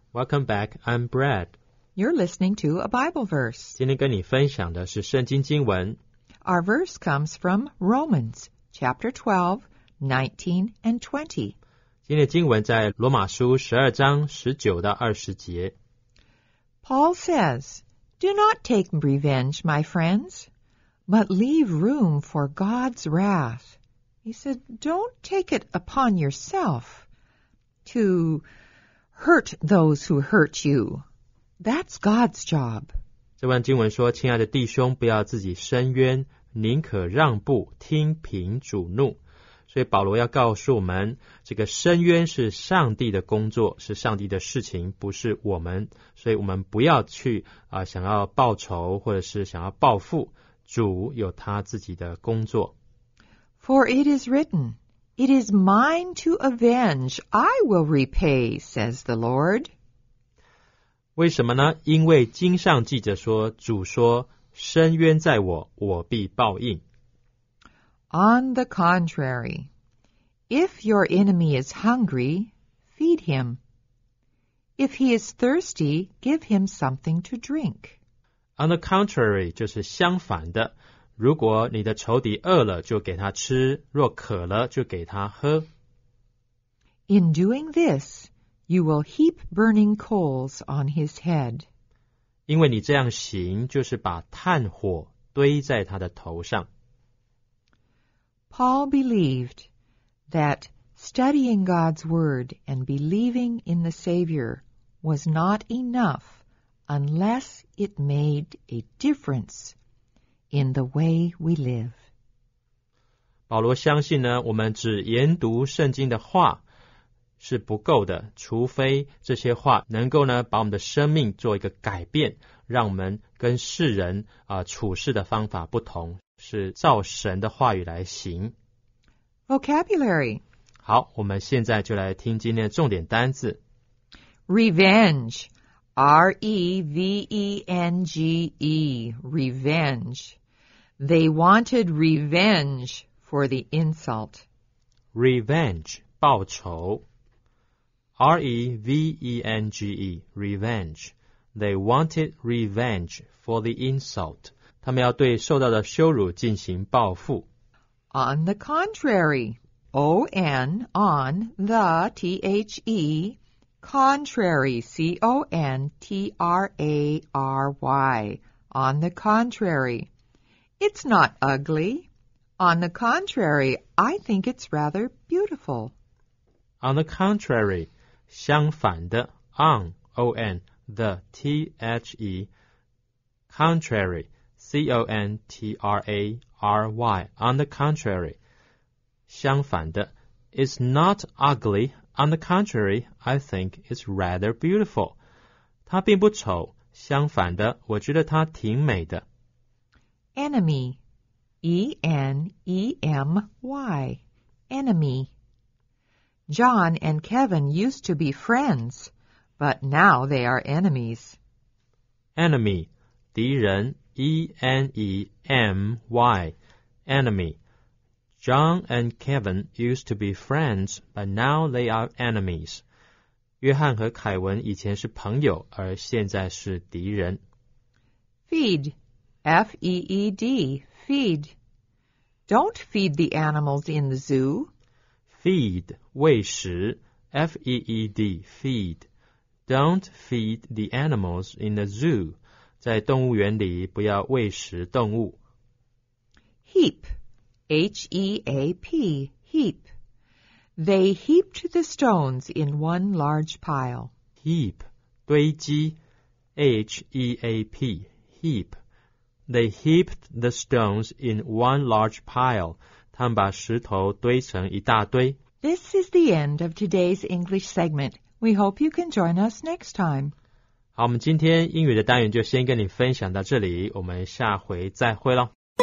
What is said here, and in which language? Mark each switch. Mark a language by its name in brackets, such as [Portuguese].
[English] Welcome back, I'm Brad. You're listening to a Bible verse. [Chinese] 今天跟你分享的是圣经经文。 [English] Our verse comes from Romans, chapter 12, 19 and 20. [Chinese] 今天的经文在罗马书12章19到20节。 [English] Paul says, Do not take revenge, my friends, but leave room for God's wrath. He said, Don't take it upon yourself. To hurt those who hurt you. That's God's job. [Chinese] 这段经文说，亲爱的弟兄，不要自己伸冤，宁可让步，听凭主怒。所以保罗要告诉我们，这个伸冤是上帝的工作，是上帝的事情，不是我们。所以我们不要去想要报仇，或者是想要报复，主有他自己的工作。 [English] For it is written,It is mine to avenge. I will repay, says the Lord. [Chinese] 为什么呢？因为经上记着说，主说，伸冤在我，我必报应。 [English] On the contrary, if your enemy is hungry, feed him. If he is thirsty, give him something to drink. On the contrary, [Chinese] 就是相反的。如果你的仇敌饿了，就给他吃；若渴了，就给他喝。 [English] In doing this, you will heap burning coals on his head. [Chinese] 因为你这样行，就是把炭火堆在他的头上。 [English] Paul believed that studying God's word and believing in the Savior was not enough unless it made a difference in the way we live. [Chinese] 保罗相信呢，我们只研读圣经的话是不够的，除非这些话能够呢把我们的生命做一个改变，让我们跟世人处事的方法不同，是照神的话语来行。 [English] Vocabulary. [Chinese] 好，我们现在就来听今天的重点单字。 [English] Revenge. R-E-V-E-N-G-E. Revenge. They wanted revenge for the insult. Revenge. [Chinese] 报仇。 [English] R-E-V-E-N-G-E. Revenge. They wanted revenge for the insult. [Chinese] 他们要对受到的羞辱进行报复。 [English] On the contrary, O-N, on the, T-H-E, contrary, C-O-N-T-R-A-R-Y, on the contrary. It's not ugly. On the contrary, I think it's rather beautiful. On the contrary, [Chinese] 相反的 [English] on, O-N, the, T-H-E, contrary,C-O-N-T-R-A-R-Y, on the contrary, 相反的 It's not ugly, on the contrary, I think it's rather beautiful. [Chinese] 它并不丑,相反的,我觉得它挺美的。 [English] Enemy, E-N-E-M-Y, enemy. John and Kevin used to be friends, but now they are enemies. Enemy, [Chinese] 敌人。 [English] E-N-E-M-Y, enemy. John and Kevin used to be friends, but now they are enemies. [Chinese] 约翰和凯文以前是朋友，而现在是敌人。 [English] Feed, F-E-E-D, feed. Don't feed the animals in the zoo. Feed, [Chinese] 喂食 [English] F-E-E-D, feed. Don't feed the animals in the zoo. [Chinese] 在动物园里不要喂食动物。 [English] Heap, H-E-A-P, heap. They heaped the stones in one large pile. Heap, [Chinese] 堆积 [English] H-E-A-P, heap. They heaped the stones in one large pile. [Chinese] 他们把石头堆成一大堆。 [English] This is the end of today's English segment. We hope you can join us next time. [Chinese] 好，我们今天英语的单元就先跟你分享到这里，我们下回再会咯。